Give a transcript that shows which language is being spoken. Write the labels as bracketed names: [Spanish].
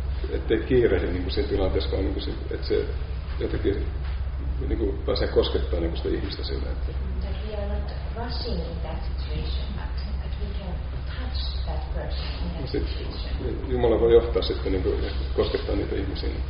[Finnish] Ettei kiirehdi niinku siinä tilanteessa, vaan niinku se, että se jotenkin niinku pääsee koskettaa niinku sitä ihmistä sillä. Että [English] rushing in that situation, but we can touch that person. [Finnish] Sitten Jumala voi johtaa sitten niin kuin, koskettaa niitä ihmisiä niin